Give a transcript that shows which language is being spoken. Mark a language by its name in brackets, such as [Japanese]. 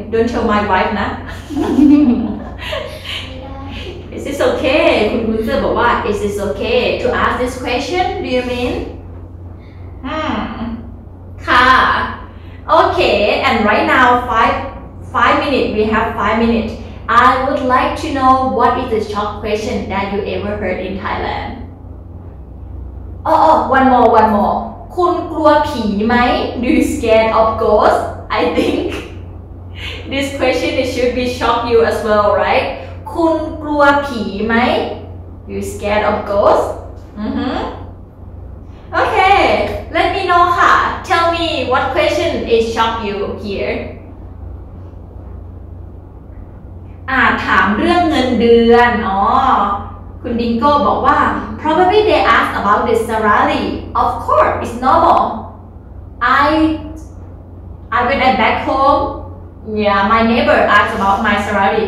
[English] Don't tell my wife [Thai] นะ [English] Is this okay? [Thai] คุณคุณเซอร์บอกว่า [English] Is this okay to ask this question? Do you mean? [Thai] ค่ะ [English] Okay, and right now five minutes. I would like to know what is the shock question that you ever heard in Thailand. One more. [Thai] คุณกลัวผีไหม [English] Do you scared of ghosts? I think. This question it should be shock you as well, right? [Thai] คุณกลัวผีไหม? [English] You scared of ghosts? Mm-hmm. Okay, let me know ha. Tell me what question is shock you here. [Thai] ถามเรื่องเงินเดือนคุณดิงโก้บอกว่า [English] probably they ask about the salary. Of course, it's normal. I when I back home, yeah, my neighbor asked about my salary.